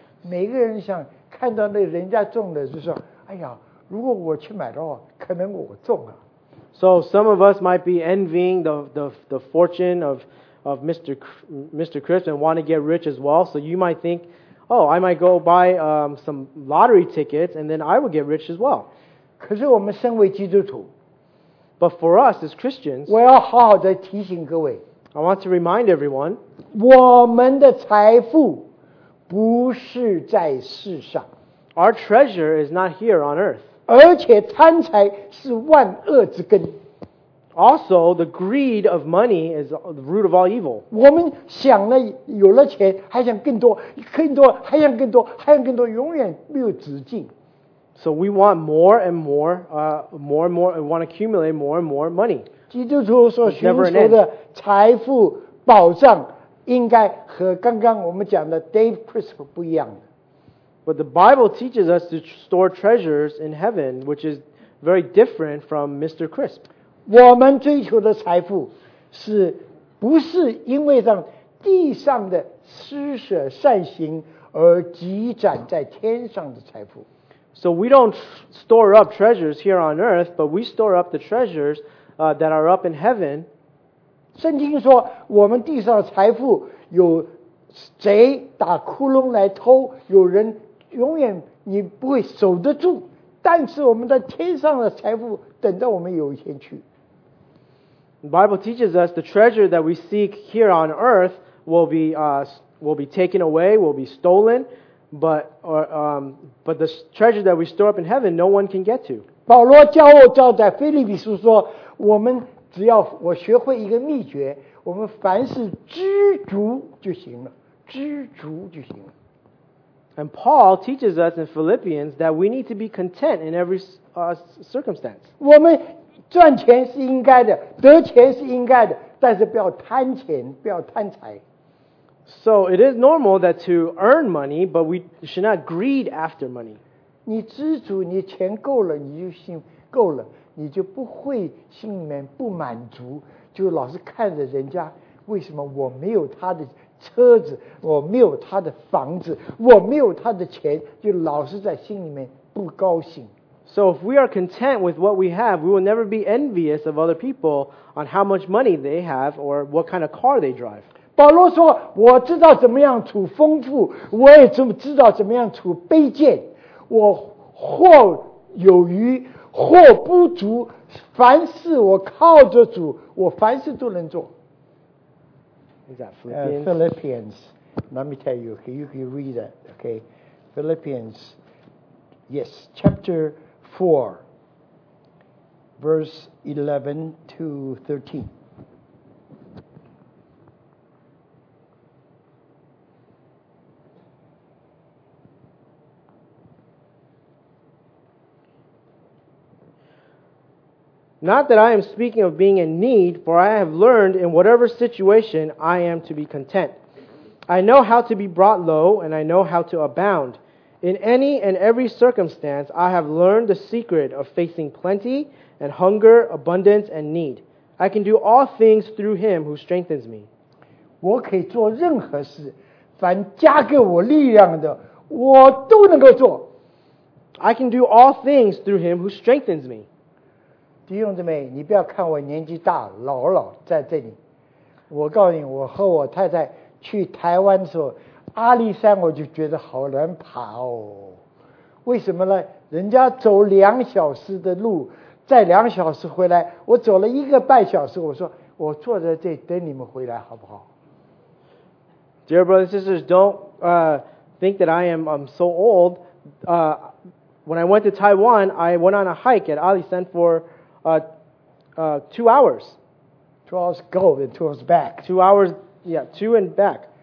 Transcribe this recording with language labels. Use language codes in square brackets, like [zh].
[zh] 每个人想看到那人家中的，就说哎呀，如果我去买的话，可能我中了。 [en] So some of us might be envying the fortune of Mr. Chris and want to get rich as well. So you might think, oh, I might go buy some lottery tickets and then I will get rich as well. [zh] 可是我们身为基督徒， [en] But for us as Christians, [zh] 我要好好地提醒各位， [en] I want to remind everyone, [zh] 我们的财富不是在世上， [en] Our treasure is not here on earth. [zh] 而且贪财是万恶之根。 [en] Also, the greed of money is the root of all evil. [zh] 我们想了有了钱，还想更多，更多，还想更多，还想更多，永远没有止境。 [en] So we want more and more, more and more, and want to accumulate more and more money. [zh] 基督徒所寻求的财富保障，应该和刚刚我们讲的 Dave Crystal 不一样的。 [en] But the Bible teaches us to store treasures in heaven, which is very different from Mr. Crisp. [zh] 我们追求的财富是不是因为让地上的施舍善行而积攒在天上的财富。 [en] So we don't store up treasures here on earth, but we store up the treasures that are up in heaven. [zh] 圣经说我们地上的财富有贼打窟窿来偷，有人永远你不会守得住，但是我们的天上的财富等到我们有一天去。 [en] The Bible teaches us the treasure that we seek here on earth will be taken away, will be stolen, but the treasure that we store up in heaven, no one can get to. [zh] 保罗教在腓立比书说，我们只要我学会一个秘诀，我们凡事知足就行了，知足就行了。 [en] And Paul teaches us in Philippians that we need to be content in every circumstance. [zh] 我们赚钱是应该的，得钱是应该的，但是不要贪钱，不要贪财。 [en] So it is normal that to earn money, but we should not greed after money. [zh] 你知足，你钱够了，你就心够了，你就不会心里面不满足，就老是看着人家，为什么我没有他的车子，我没有他的房子，我没有他的钱，就老是在心里面不高兴。 [en] So if we are content with what we have, we will never be envious of other people on how much money they have or what kind of car they drive. [zh] 保罗说，我知道怎么样处丰富，我也知道怎么样处卑贱，我或有余，或不足，凡事我靠着主，我凡事都能做。 [en] Is that Philippians? Philippians. Let me tell you, you can read it, okay? Philippians. Yes, chapter 4, verse 11 to 13. Not that I am speaking of being in need, for I have learned in whatever situation I am to be content. I know how to be brought low, and I know how to abound. In any and every circumstance, I have learned the secret of facing plenty and hunger, abundance and need. I can do all things through Him who strengthens me. [zh] 我可以做任何事，凡加给我力量的，我都能够做。 [en] I can do all things through Him who strengthens me. [zh] 弟兄姊妹，你不要看我年纪大，老在这里。我告诉你，我和我太太去台湾的时候，阿里山我就觉得好难爬哦，为什么呢？人家走两小时的路，再两小时回来，我走了一个半小时。我说我坐在这等你们回来好不好 [en] Dear brothers and sisters, don't think that I'm so old. When I went to Taiwan, I went on a hike at Alisan for 2 hours. 2 hours go and 2 hours back. 2 hours, yeah, two and back.